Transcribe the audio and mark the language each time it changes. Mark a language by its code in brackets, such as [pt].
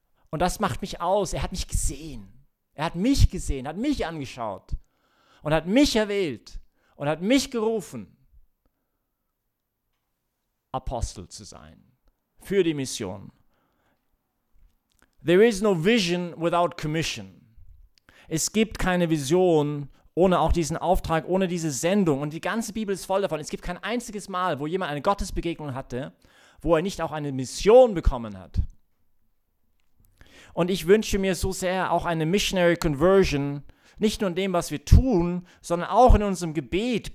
[de] Und das macht mich aus. Er hat mich gesehen. Er hat mich gesehen, hat mich angeschaut und hat mich erwählt und hat mich gerufen, Apostel zu sein für die Mission. [en] There is no vision without commission. [de] Es gibt keine Vision ohne auch diesen Auftrag, ohne diese Sendung. Und die ganze Bibel ist voll davon. Es gibt kein einziges Mal, wo jemand eine Gottesbegegnung hatte, wo er nicht auch eine Mission bekommen hat. Und ich wünsche mir so sehr auch eine Missionary Conversion, nicht nur in dem, was wir tun, sondern auch in unserem Gebet.